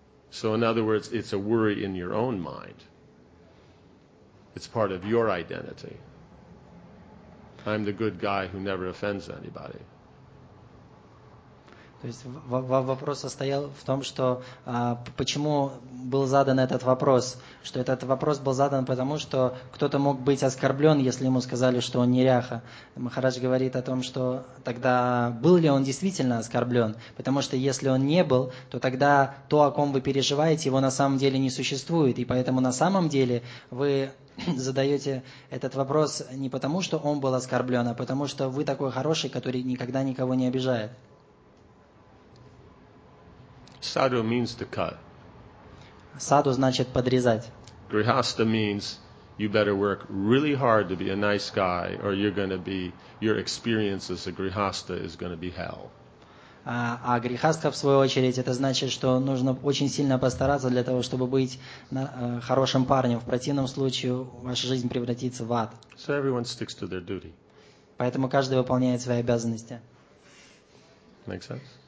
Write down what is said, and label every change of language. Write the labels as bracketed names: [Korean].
[English] So in other words, it's a worry in your own mind. It's part of your identity. I'm the good guy who never offends anybody. [Russian] То есть вопрос состоял в том, что почему был задан этот вопрос? Что этот вопрос был задан потому, что кто-то мог быть оскорблен, если ему сказали, что он неряха. Махарадж говорит о том, что тогда был ли он действительно оскорблен? Потому что если он не был, то тогда то, о ком вы переживаете, его на самом деле не существует. И поэтому на самом деле вы задаете этот вопрос не потому, что он был оскорблен, а потому что вы такой хороший, который никогда никого не обижает. [English] Sadhu means to cut. [Russian] Sadhu значит подрезать. [English] Grihastha means you better work really hard to be a nice guy, or you're going to be, your experience as a grihastha is going to be hell. [Russian] А грехастха, в свою очередь, это значит, что нужно очень сильно постараться для того, чтобы быть хорошим парнем. В противном случае ваша жизнь превратится в ад. [English] So everyone sticks to their duty. [Russian] Поэтому каждый выполняет свои обязанности. [English] Make sense?